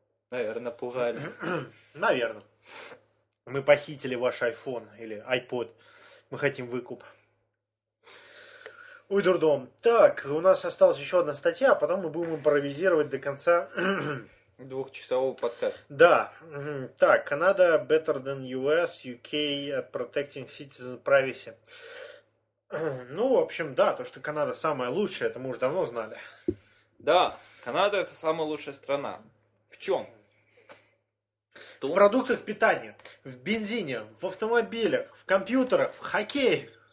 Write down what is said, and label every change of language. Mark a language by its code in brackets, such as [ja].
[ru] Наверное, пугали. Наверное. Мы похитили ваш iPhone или iPod. Мы хотим выкуп. Ой, дурдом. Так, у нас осталась еще одна статья, а потом мы будем импровизировать до конца... двухчасового подкаста. Да. [en] Так, Canada better than US, UK at protecting citizen privacy. [ru] Ну, в общем, да, то, что Канада самая лучшая, это мы уже давно знали. Да, Канада — это самая лучшая страна. В чем? В продуктах питания, в бензине, в автомобилях, в компьютерах, в хоккее.